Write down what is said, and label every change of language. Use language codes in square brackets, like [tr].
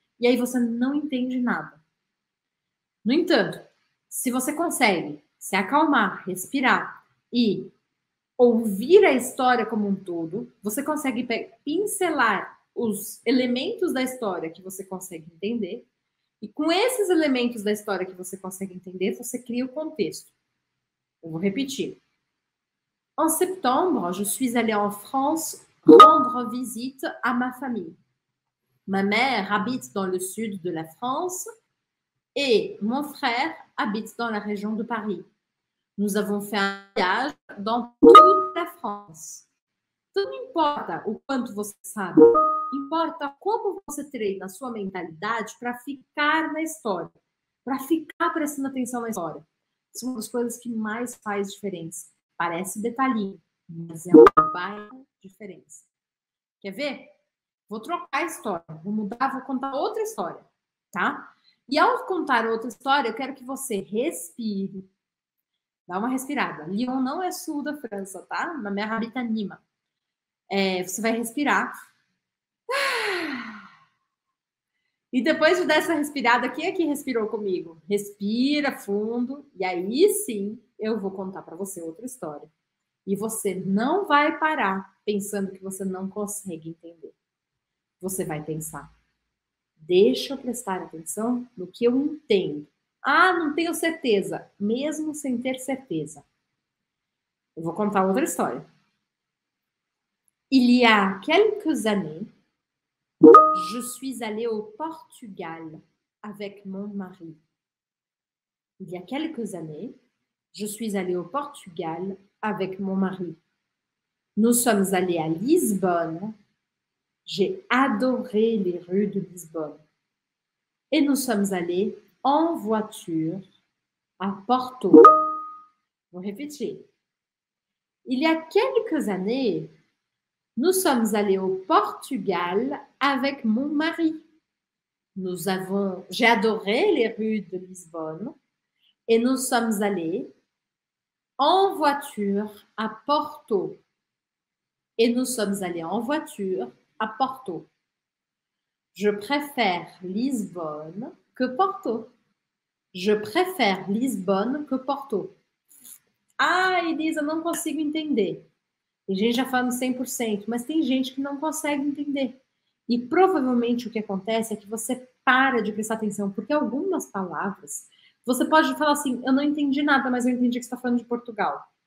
[pt] E aí você não entende nada. No entanto, se você consegue se acalmar, respirar e ouvir a história como um todo, você consegue pincelar os elementos da história que você consegue entender. E com esses elementos da história que você consegue entender, você cria o contexto. Eu vou repetir. [fr] En septembre, je suis allée en France rendre visite à ma famille. Ma mère habite dans le sud de la France et mon frère habite dans la région de Paris. Nous avons fait un voyage dans toute la France. [pt] Então, não importa o quanto você sabe, importa como você treina a sua mentalidade para ficar na história, para ficar prestando atenção na história. São as coisas que mais faz diferença. Parece detalhinho, mas é uma baita diferença. Quer ver? Vou trocar a história, vou mudar, vou contar outra história, tá? E ao contar outra história, eu quero que você respire. Dá uma respirada. Lyon não é sul da França, tá? Na minha habita Nima. É, você vai respirar. E depois dessa respirada, quem é que respirou comigo? Respira fundo. E aí sim, eu vou contar para você outra história. E você não vai parar pensando que você não consegue entender. Você vai pensar. Deixa eu prestar atenção no que eu entendo. Ah, não tenho certeza. Mesmo sem ter certeza. Eu vou contar outra história. [fr] Il y a quelques années, je suis allée au Portugal avec mon mari. Il y a quelques années, je suis allée au Portugal avec mon mari. Nous sommes allés à Lisbonne. J'ai adoré les rues de Lisbonne. Et nous sommes allés en voiture à Porto. [pt] Vou [fr] répéter. Il y a quelques années, nous sommes allés au Portugal avec mon mari. J'ai adoré les rues de Lisbonne et nous sommes allés en voiture à Porto. Et nous sommes allés en voiture à Porto. Je préfère Lisbonne que Porto. Je préfère Lisbonne que Porto. [pt] Ah, Elisa, não consigo entender. Tem gente já falando 100%, mas tem gente que não consegue entender. E provavelmente o que acontece é que você para de prestar atenção, porque algumas palavras, você pode falar assim, eu não entendi nada, mas eu entendi que você está falando de Portugal.